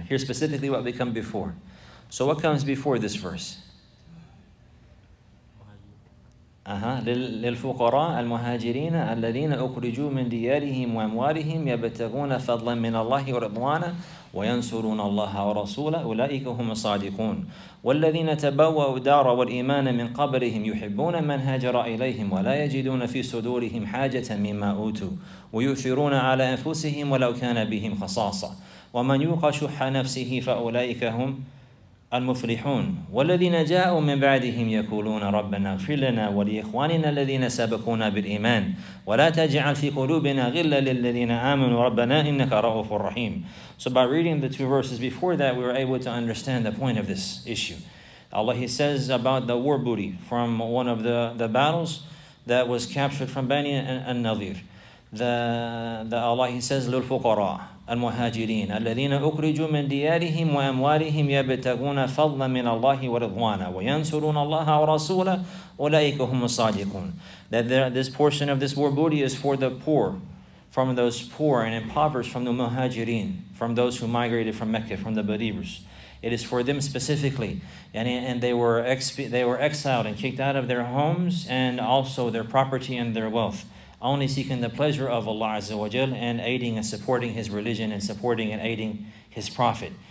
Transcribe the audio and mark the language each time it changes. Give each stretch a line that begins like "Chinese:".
English: Here specifically, what become before. So what comes before this verse?
Arabic: للفقراء المهاجرين الذين أخرجوا من ديارهم وأموالهم يبتغون فضلا من الله ورضوانا وينصرون الله ورسوله أولئك هم الصادقون والذين تبوأوا الدار والإيمان من قبلهم يحبون من هاجر إليهم ولا يجدون في صدورهم حاجة مما أوتوا ويؤثرون على أنفسهم ولو كان بهم خصاصة ومن يوق شح نفسه فأولئك هم المفلحون والذين جاءوا من بعدهم يقولون ربنا اغفر لنا ولإخواننا الذين سبقونا بالإيمان ولا تجعل في قلوبنا غلا للذين آمنوا ربنا إنك رؤوف رحيم.
English: So by reading the two verses before that, we were able to understand the point of this issue. Allah, He says about the war booty from one of the battles that was captured from Bani al-Nadir. The Allah, He says,
Arabic: للفقراء المهاجرين الذين أخرجوا من ديارهم وأموالهم يبتغون فضلا من الله ورضوانا وينصرون الله ورسوله أولئك هم الصادقون.
English: That this portion of this war booty is for the poor, from those poor and impoverished, from the muhajirin, from those who migrated from Mecca, from the believers. It is for them specifically. And they were exiled and kicked out of their homes and also their property and their wealth, only seeking the pleasure of Allah Azza wa Jal and aiding and supporting His religion and supporting and aiding His Prophet.